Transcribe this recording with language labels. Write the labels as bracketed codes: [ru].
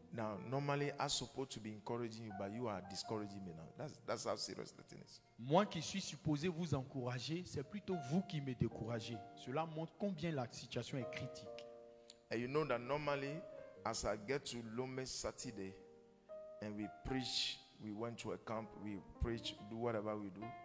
[en] Now, normally, I'm supposed to be encouraging you, but you are discouraging me now. That's how serious the thing is. [fr] Moi qui suis supposé vous encourager, c'est plutôt vous qui me découragez. Cela montre combien la situation est critique. [en] And you know that normally, as I get to Lomé Saturday, and we preach, we went to a camp, we preach, do whatever we do.